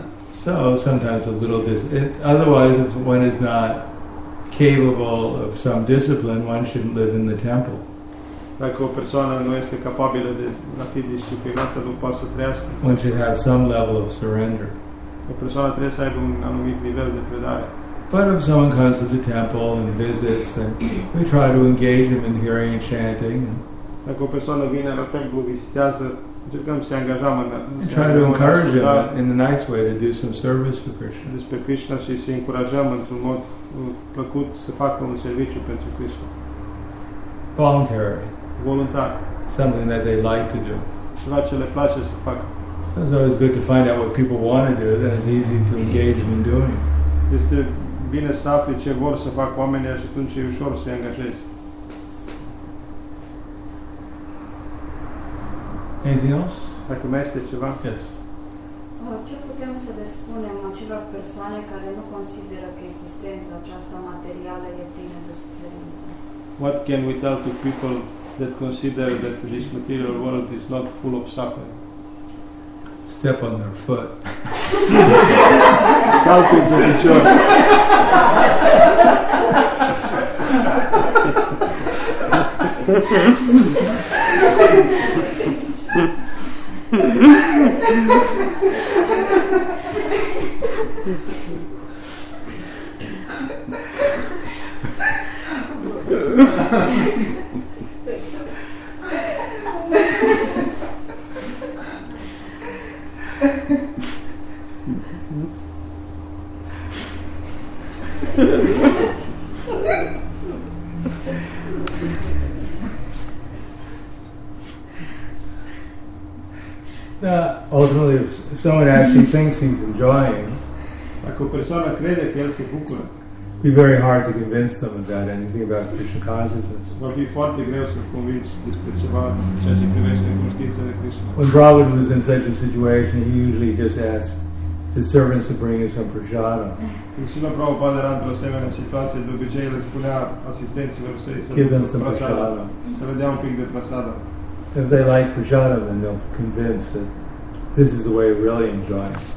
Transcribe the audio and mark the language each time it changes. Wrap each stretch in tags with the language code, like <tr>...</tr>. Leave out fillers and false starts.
<en>So, sometimes a little otherwise, if one is not capable of some discipline, one shouldn't live in the temple.</en> <ro>Dacă o persoană nu este capabilă de a fi disciplinată, nu poate să trăiască.</ro> <en>One should have some level of surrender.</en> <ro>O persoană trebuie să aibă un anumit nivel de predare.</ro> <en>But if someone comes to the temple and visits, and we try to engage them in hearing and chanting,</en> <ro>dacă o persoană vine la templu, vizitează, încercăm să-i angajăm în ascultare.</ro> <en>Try to encourage them in a nice way to do some service for Krishna.</en> <ro>Despre Krishna și să-i încurajăm într-un mod plăcut să facă un serviciu pentru Krishna.</ro> <en>Voluntary.</en> <ro>Voluntar.</ro> <en>Something that they like to do.</en> <ro>Ceva ce le place să facă.</ro> <en>So it's always good to find out what people want to do, then it's easy to engage them in doing.</en> <ro>Este bine să afli ce vor să fac oamenii și atunci e ușor să-i angajezi.</ro> <en>Anything else?</en> <ro>Dacă mai este ceva?</ro> <en>Yes.</en> <ro>Ce putem să le spunem acelor persoane care nu consideră că existența aceasta materială e plină de suferință?</ro> <en>What can we tell to people that consider that this material world is not full of suffering? Step on their foot.</en> <ro>Calcă-i pe picior.</ro> <en>Ultimately, if someone actually thinks he's enjoying,</en> <ro>dacă o persoană crede că el se bucură,</ro> <en>be very hard to convince them of that, anything about Krishna consciousness.</en> <ro>Va fi foarte greu să-l convingi despre ceva, ceea ce privește conștiința de Krishna.</ro> <en>When Prabhupada was in such a situation, he usually just asked his servants to bring him some prasadam.</en> <ro>Când Srila Prabhupada era într-o asemenea situație, de obicei le spunea asistenților săi să</ro> <en>give them some prasadam.</en> <ro>Să le dea un pic de prasadam.</ro> <en>If they like prasadam, then they'll convince that this is the way we really enjoy.</en>